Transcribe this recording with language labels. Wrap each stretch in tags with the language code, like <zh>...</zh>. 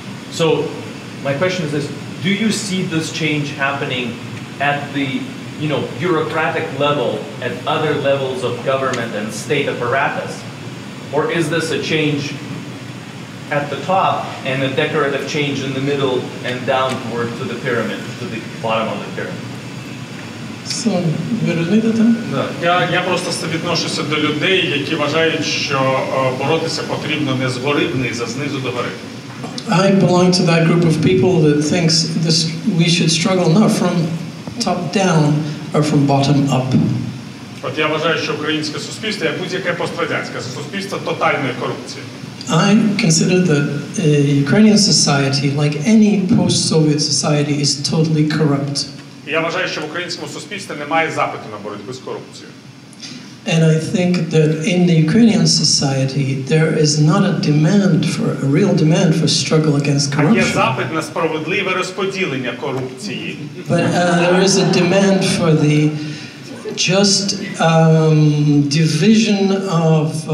<en>So my question is this, do you see this change happening at the, you know, bureaucratic level, at other levels of government and state apparatus? Or is this a change at the top and a decorative change in the middle and downward to the pyramid, to the bottom of the pyramid?</en> <uk>So, ви розумієте? Я просто відношуся до людей, які вважають, що боротися потрібно не згори вниз, а знизу до гори.</uk> <en>I belong to that group of people that thinks this we should struggle not from top down or from bottom up.</en> <uk>От я вважаю, що українське суспільство, як будь-яке пострадянське суспільство, тотальної корупції.</uk> <en>I consider that Ukrainian society, like any post-Soviet society, is totally corrupt.</en> <uk>Я вважаю, що в українському суспільстві немає запиту на боротьбу з корупцією.</uk> <en>And I think that in the Ukrainian society there is not a demand for a real demand for struggle against corruption.</en> <uk>А є запит на справедливе розподілення корупції.</uk> <en>But there is a demand for the just division of</en>